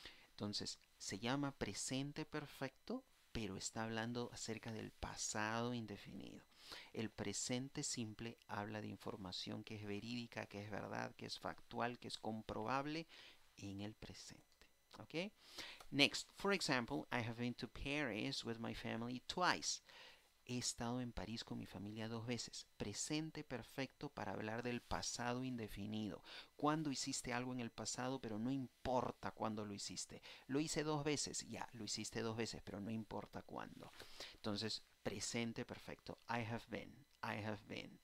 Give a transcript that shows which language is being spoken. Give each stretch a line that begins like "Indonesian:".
Spanish: Entonces, se llama presente perfecto, pero está hablando acerca del pasado indefinido. El presente simple habla de información que es verídica, que es verdad, que es factual, que es comprobable en el presente. ¿Okay?
English: Next, for example, I have been to Paris with my family twice.
Spanish: He estado en París con mi familia dos veces. Presente perfecto para hablar del pasado indefinido. ¿Cuándo hiciste algo en el pasado? Pero no importa cuándo lo hiciste. Lo hice dos veces. Ya, lo hiciste dos veces, pero no importa cuándo. Entonces, presente perfecto.
English: I have been. I have been.